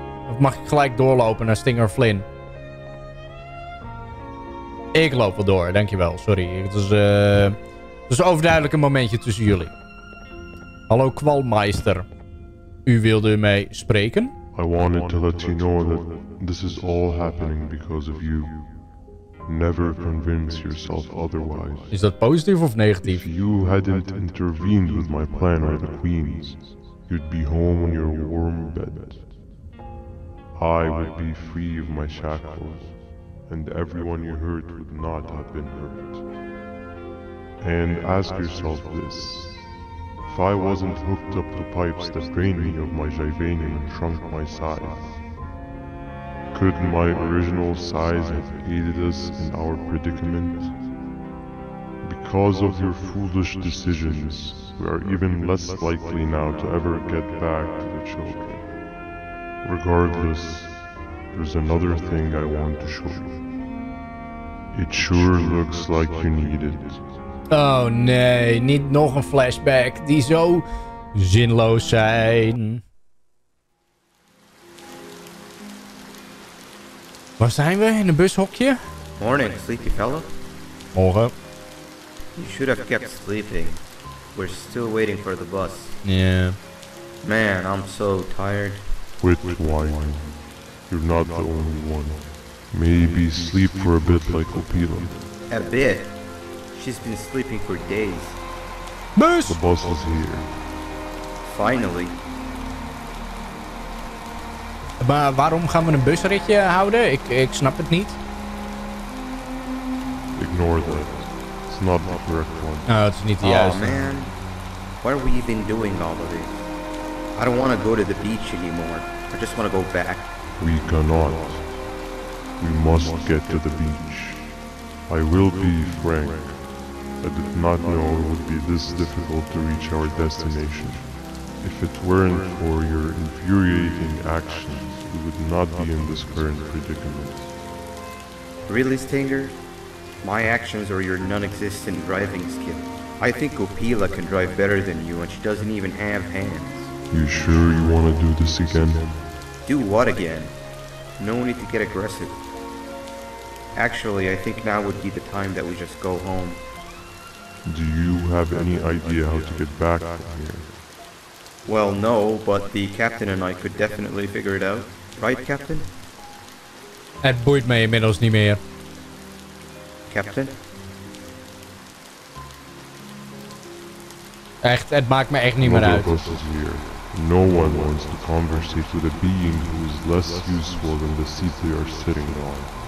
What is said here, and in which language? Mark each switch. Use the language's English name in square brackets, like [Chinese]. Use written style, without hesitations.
[Dutch] Of mag ik gelijk doorlopen naar Stinger Flynn? Ik loop wel door, dankjewel. Sorry, het is overduidelijk een momentje tussen jullie. Hallo kwalmeister. U wilde mij spreken? [English] I wanted to let you know that this is all happening because of you. Never convince yourself otherwise. [Dutch] Is dat positief of negatief? [English] If you hadn't intervened with my plan or the Queen's, you'd be home in your warm bed. I would be free of my shackles, and everyone you hurt would not have been hurt. And ask yourself this. If I wasn't hooked up to pipes that drained me of my Jyvanium and shrunk my size, could my original size have aided us in our predicament? Because of your foolish decisions, we are even less likely now to ever get back to the children. Regardless, there's another thing I want to show you. It sure looks like you need it. [Dutch] Oh nee, niet nog een flashback die zo zinloos zijn. Waar zijn we? In een bushokje? [English] Morning, sleepy fellow. [Dutch] Morgen. [English] You should have kept sleeping. We're still waiting for the bus. Yeah. Man, I'm so tired. Quit whining. You're not the only one. Maybe sleep for a bit like Opila. A bit? She's been sleeping for days. Bus! The bus is here. Finally. [Dutch] Maar waarom gaan we een busritje houden? Ik snap het niet. [English] Ignore that. It's not the correct one. [Dutch] Nou, het is niet de juiste. [English] Oh man. What have we been doing all of this? I don't want to go to the beach anymore. I just want to go back. We cannot. We must get to the beach. I will be frank. I did not know it would be this difficult to reach our destination. If it weren't for your infuriating actions, we would not be in this current predicament. Really, Stinger? My actions or your non-existent driving skill? I think Opila can drive better than you and she doesn't even have hands. You sure you want to do this again? Do what again? No need to get aggressive. Actually, I think now would be the time that we just go home. Do you have any idea how to get back from here? Well, no, but the captain and I could definitely figure it out. Right, captain? [Dutch] Het boeit mij inmiddels niet meer. [English] Captain? [Dutch] Echt, het maakt me echt niet meer uit. [English] Another bus is here. No one wants to conversate with a being who is less useful than the seat they are sitting on.